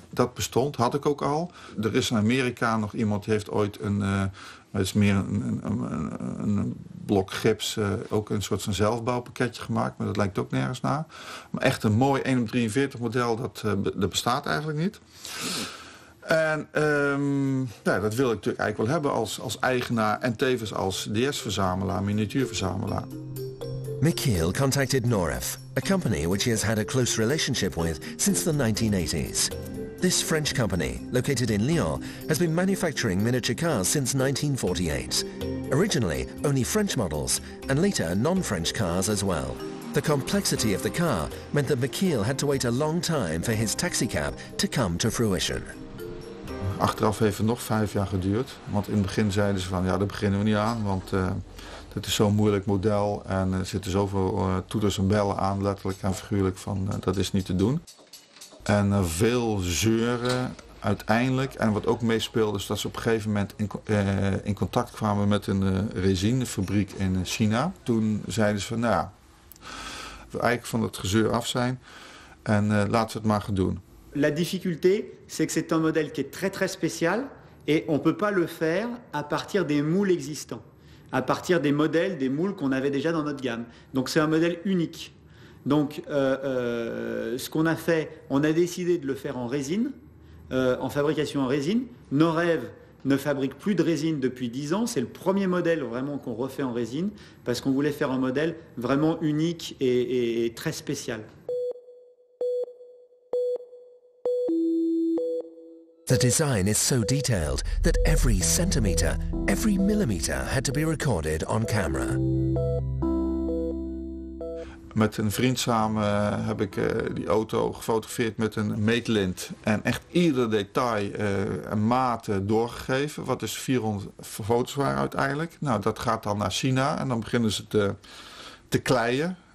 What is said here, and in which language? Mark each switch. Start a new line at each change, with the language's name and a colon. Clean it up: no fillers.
Dutch: Dat bestond, had ik ook al. Er is in Amerika nog iemand die heeft ooit een blok gips, ook een soort van zelfbouwpakketje gemaakt. Maar dat lijkt ook nergens naar. Maar echt een mooi 1x43 model, dat bestaat eigenlijk niet. En dat wil ik natuurlijk eigenlijk wel hebben als eigenaar en tevens als DS-verzamelaar, miniatuurverzamelaar.
English: McKeel contacted Noref, a company which he has had a close relationship with since the 1980s. This French company, located in Lyon, has been manufacturing miniature cars since 1948. Originally only French models and later non-French cars as well. The complexity of the car meant that McKeel had to wait a long time for his taxicab to come to fruition.
Dutch: Achteraf heeft het nog 5 jaar geduurd, want in het begin zeiden ze van ja, daar beginnen we niet aan, want het is zo'n moeilijk model en er zitten zoveel toeters en bellen aan, letterlijk en figuurlijk, van dat is niet te doen. En veel zeuren uiteindelijk, en wat ook meespeelde is dat ze op een gegeven moment in contact kwamen met een resinefabriek in China. Toen zeiden ze van nou ja, eigenlijk van dat gezeur af zijn en laten we het maar gaan doen.
French: La difficulté, c'est que c'est un modèle qui est très très spécial et on peut pas le faire à partir des moules existants, à partir des modèles, des moules qu'on avait déjà dans notre gamme. Donc c'est un modèle unique. Donc ce qu'on a fait, on a décidé de le faire en résine, en fabrication en résine. Norev ne fabrique plus de résine depuis 10 ans. C'est le premier modèle vraiment qu'on refait en résine parce qu'on voulait faire un modèle vraiment unique et très spécial.
English: The design is so detailed that every centimeter, every millimeter had to be recorded on camera.
Dutch: Met een vriend samen heb ik die auto gefotografeerd met een meetlint. En echt ieder detail en maten doorgegeven. Wat is 400 foto's waren uiteindelijk. Nou, dat gaat dan naar China en dan beginnen ze te kleien.